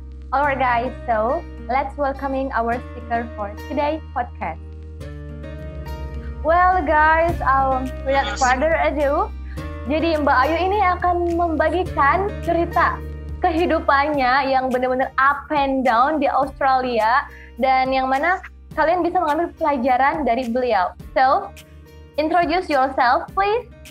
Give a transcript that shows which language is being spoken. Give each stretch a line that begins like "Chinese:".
English: Alright guys, so let's welcoming our speaker for today's podcast. Well guys, without further ado,
Indonesian: jadi Mbak Ayu ini akan membagikan cerita kehidupannya yang benar-benar
English: up and down
Indonesian: di Australia, dan yang mana kalian bisa mengambil pelajaran dari beliau.
English: So, introduce yourself please.